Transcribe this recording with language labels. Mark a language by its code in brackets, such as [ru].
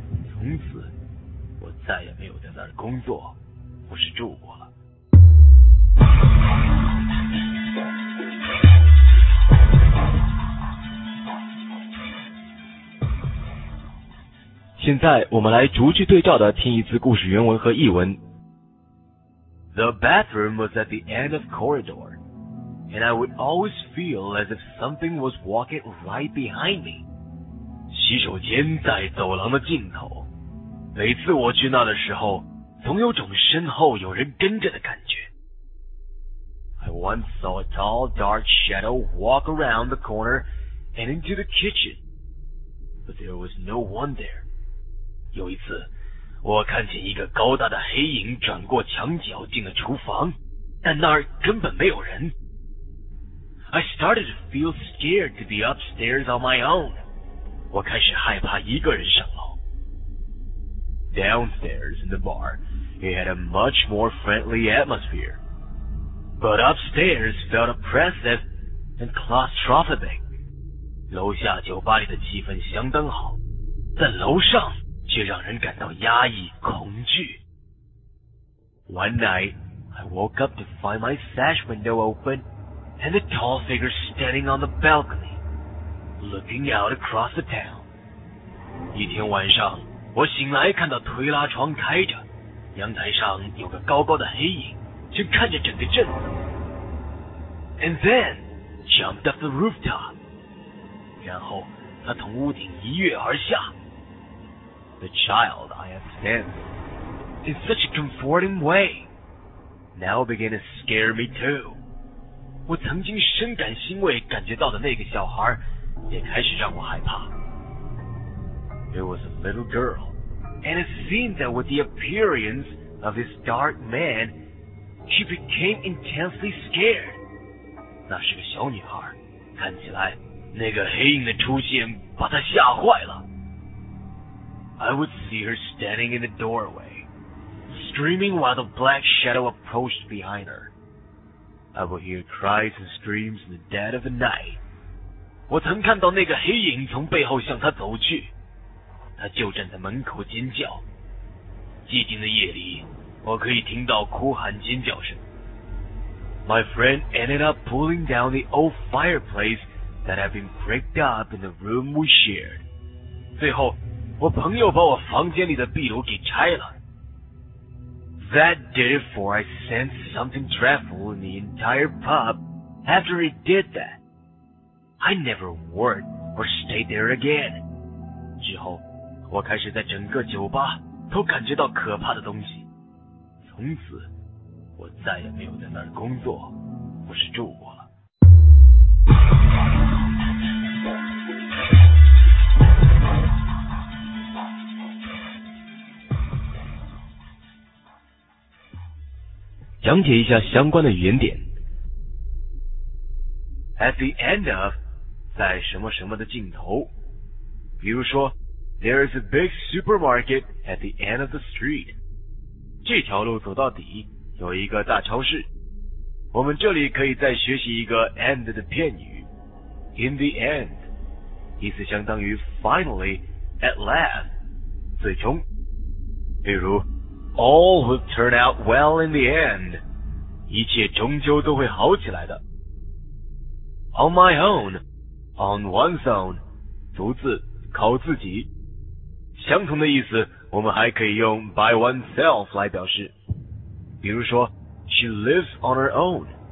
[zh] 从此，我再也没有在那儿工作或是住过了。现在我们来逐句对照的听一次故事原文和译文。 [en] The bathroom was at the end of corridor, and I would always feel as if something was walking right behind me. [zh] 洗手间在走廊的尽头，每次我去那的时候，总有种身后有人跟着的感觉。 [en] I once saw a tall, dark shadow walk around the corner and into the kitchen, but there was no one there. [zh] 有一次，我看见一个高大的黑影转过墙角进了厨房，但那儿根本没有人。 [en] I started to feel scared to be upstairs on my own. [zh] 我开始害怕一个人上楼。 [en] Downstairs in the bar, it had a much more friendly atmosphere. But upstairs felt oppressive and claustrophobic. [zh] 楼下酒吧里的气氛相当好，但楼上却让人感到压抑恐惧。 [en] One night, I woke up to find my sash window open and a tall figure standing on the balcony, looking out across the town. [zh] 一天晚上，我醒来看到推拉窗开着，阳台上有个高高的黑影正看着整个镇子。 [en] And then, jumped up the rooftop. [zh] 然后他从屋顶一跃而下。 [en] the child I have been. In such a comforting way. Now begin to scare me too. [zh] 我曾经深感欣慰感觉到的那个小孩也开始让我害怕。 [en] It was a little girl, and it seemed that with the appearance of this dark man, she became intensely scared. [zh] 那是个小女孩，看起来那个黑影的出现把她吓坏了。 [en] I would see her standing in the doorway, screaming while the black shadow approached behind her. I would hear cries and screams in the dead of the night. [zh] 我曾看到那个黑影从背后向她走去。他就站在门口尖叫。寂静的夜里，我可以听到哭喊尖叫声。 [en] My friend ended up pulling down the old fireplace that had been bricked up in the room we shared. [zh] 最后，我朋友把我房间里的壁炉给拆了。 [en] That did it for I sensed something dreadful in the entire pub after it did that. I never worked or stayed there again. [zh] 之后我开始在整个酒吧都感觉到可怕的东西。从此，我再也没有在那儿工作或是住过了。讲解一下相关的语言点。 [en] At the end of, [zh] 在什么什么的尽头，比如说 [en] There is a big supermarket at the end of the street. [zh] 这条路走到底有一个大超市。我们这里可以再学习一个 end 的片语。 [en] In the end, [zh] 意思相当于 [en] finally, at last, [zh] 最终。 [en] 比如 all will turn out well in the end. [zh] 一切终究都会好起来的。 [en] On my own, on one's own, [zh] 独自靠自己。相同的意思我们还可以用 [en] by oneself [zh] 来表示。比如说 [en] she lives on her own,